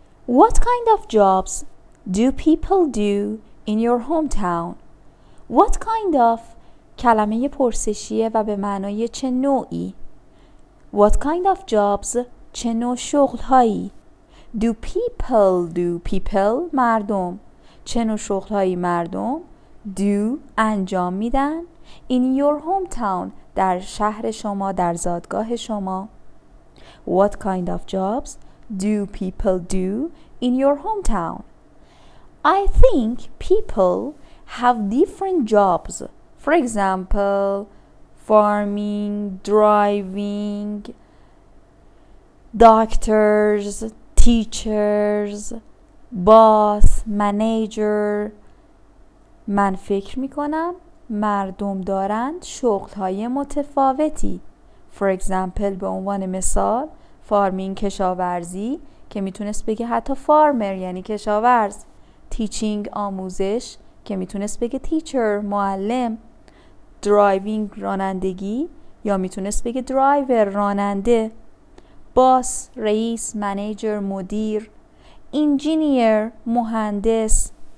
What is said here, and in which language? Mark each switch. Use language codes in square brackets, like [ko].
[en] What kind of jobs do people do in your hometown? What kind of [fa] کلمه پرسشیه و به معنای چه نوعی؟ [en] What kind of jobs [fa] چه نوع شغل هایی؟ [en] Do people [fa] مردم چه نوع شغل هایی مردم [en] do [fa] انجام میدن؟ [en] In your hometown [fa] در شهر شما در زادگاه شما [en] What kind of jobs do people do in your hometown? I think people have different jobs. For example, farming, driving, doctors, teachers, boss, manager. [fa] من فکر میکنم مردم دارند شغل‌های متفاوتی. [en] For example, [fa] به عنوان مثال فارمینگ کشاورزی که میتونست بگه حتی فارمر یعنی کشاورز تیچینگ آموزش که میتونست بگه تیچر معلم درایوینگ رانندگی یا میتونست بگه درایور راننده باس رئیس منیجر مدیر انجینیر مهندس